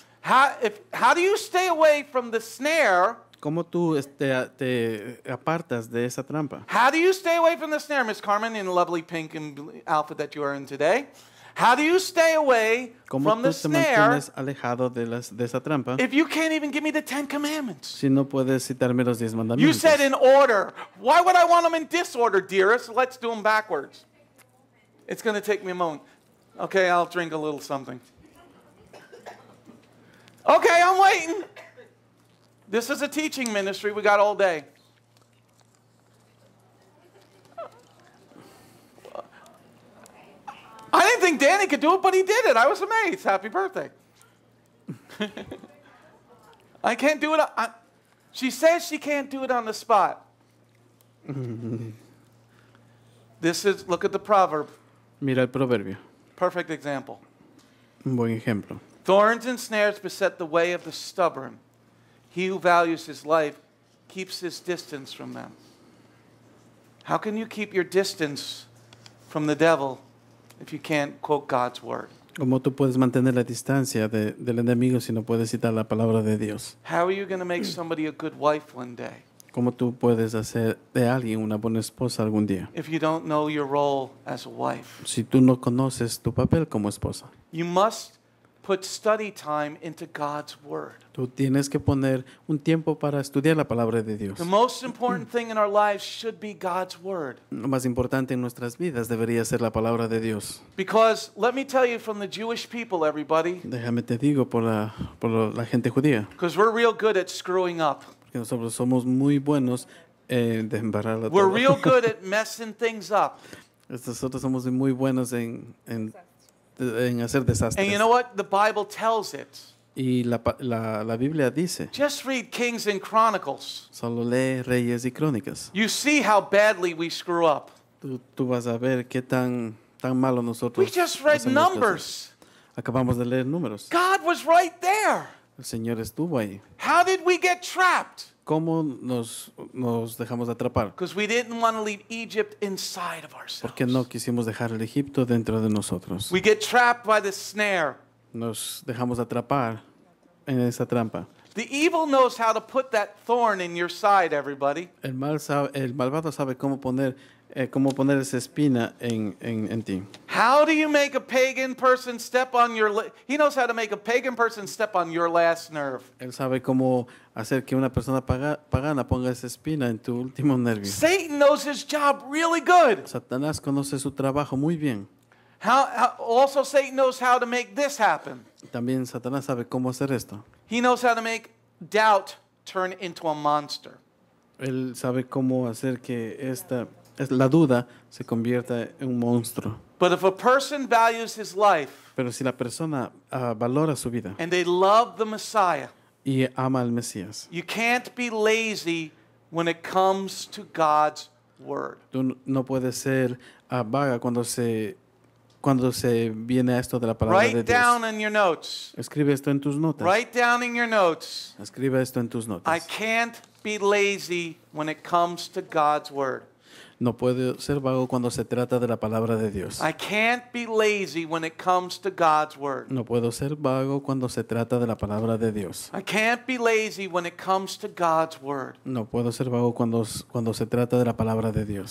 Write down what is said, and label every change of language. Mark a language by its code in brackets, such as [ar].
[en] How do you stay away from the snare? [es] ¿Cómo tú te apartas de esa trampa? [en] How do you stay away from the snare, Miss Carmen, in the lovely pink and outfit that you are in today? How do you stay away from the snare? [es] ¿Cómo tú te mantienes alejado de esa trampa? [en] If you can't even give me the Ten Commandments. [es] Si no puedes citarme los 10 mandamientos. [en] You said in order. Why would I want them in disorder, dearest? Let's do them backwards. It's going to take me a moment. Okay, I'll drink a little something. Okay, I'm waiting. This is a teaching ministry. We got all day. I didn't think Danny could do it, but he did it. I was amazed. Happy birthday. I can't do it. She says she can't do it on the spot. Look at the proverb. [es] Mira el proverbio. [en] Perfect example. [es] Un buen ejemplo. [en] Thorns and snares beset the way of the stubborn. He who values his life keeps his distance from them. How can you keep your distance from the devil if you can't quote God's word? [es] ¿Cómo tú puedes mantener la distancia del enemigo si no puedes citar la palabra de Dios? [en] How are you going to make somebody a good wife one day? [es] ¿Cómo tú puedes hacer de alguien una buena esposa algún día? [en] If you don't know your role as a wife, [es] si tú no conoces tu papel como esposa, [en] you must put study time into God's word. [es] Tú tienes que poner un tiempo para estudiar la palabra de Dios. [en] The most important thing in our lives should be God's word. [es] Lo más importante en nuestras vidas debería ser la palabra de Dios. [en] Because let me tell you from the Jewish people, everybody. [es] Déjame te digo por la gente judía. [en] Because we're real good at screwing up. [es] Porque nosotros somos muy buenos de embarrarla todo. [en] We're real good at messing things up. [es] Nosotros somos muy buenos en hacer desastres. [en] And you know what? The Bible tells it. [es] Y la Biblia dice. [en] Just read Kings and Chronicles. [es] Solo lee Reyes y Crónicas. [en] You see how badly we screw up. [es] Tú vas a ver qué tan malo nosotros. [en] We just read numbers. [es] Acabamos de leer números. [en] God was right there. [es] El Señor estuvo ahí. [en] How did we get trapped? [es] ¿Cómo nos dejamos atrapar? [en] Because we didn't want to leave Egypt inside of ourselves. [es] Porque no quisimos dejar el Egipto dentro de nosotros. [en] We get trapped by the snare. [es] Nos dejamos atrapar en esa trampa. [en] The evil knows how to put that thorn in your side, everybody. [es] El malvado sabe cómo poner esa espina en ti. [en] How do you make a pagan person step on your? He knows how to make a pagan person step on your last nerve. [es] Él sabe cómo hacer que una persona pagana ponga esa espina en tu último nervio. [en] Satan knows his job really good. [es] Satanás conoce su trabajo muy bien. [en] Also, Satan knows how to make this happen. [es] También Satanás sabe cómo hacer esto. [en] He knows how to make doubt turn into a monster. [es] Él sabe cómo hacer que la duda se convierta en un monstruo. [en] But if a person values his life, [es] pero si la persona valora su vida, [en] and they love the Messiah, [es] y ama al Mesías, [en] you can't be lazy when it comes to God's word. [es] Tú no puedes ser vaga cuando se viene esto de la palabra [en] Write [es] de Dios. [en] Down in your notes. [es] Escribe esto en tus notas. [en] Write down in your notes. [es] Escribe esto en tus notas. [en] I can't be lazy when it comes to God's word. [es] No puedo ser vago cuando se trata de la palabra de Dios. [en] I can't be lazy when it comes to God's word. [es] No puedo ser vago cuando se trata de la palabra de Dios. [en] I can't be lazy when it comes to God's word. [es] No puedo ser vago cuando se trata de la palabra de Dios.